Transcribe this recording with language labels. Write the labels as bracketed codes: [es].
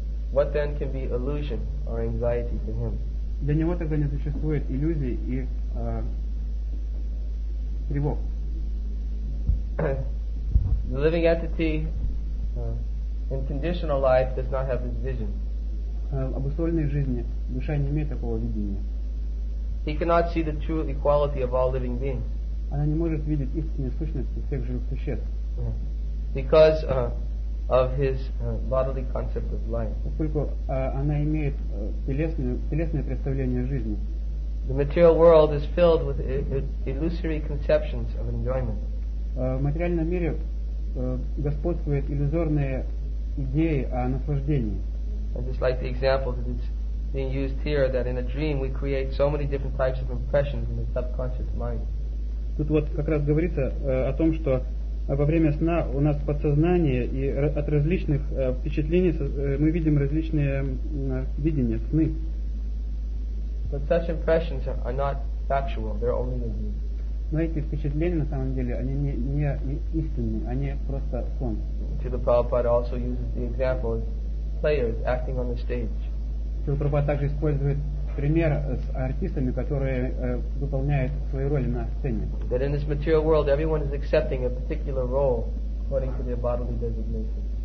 [en] What then can be illusion or anxiety to him? [ru] Для него тогда не существует иллюзий и тревог. [en] The living entity in conditional life does not have this vision. [ru] Обусловленной жизни душа не имеет такого видения. [en] He cannot see the true equality of all living beings. [ru] Она не может видеть истинную сущность всех живых существ. [en] Because of his bodily concept of life. [ru] Поскольку она имеет телесное представление жизни. [en] The material world is filled with illusory conceptions of enjoyment. [ru] В материальном мире господствуют иллюзорные идеи о наслаждении. [en] And just like the example that is being used here, that in a dream we create so many different types of impressions in the subconscious mind. [ru] Тут вот как раз говорится о том, что во время сна у нас подсознание и от различных впечатлений мы видим различные видения, сны. [en] But such impressions are not factual, they're only illusions. [ru] Но эти впечатления на самом деле они не истинные, они просто сон. [en] Śrīla Prabhupāda also uses the example of players acting on the stage. [ru] Śrīla Prabhupāda также использует пример с артистами, которые выполняют свои роли на сцене. [en] That in this material world everyone is accepting a particular role according to their bodily designation.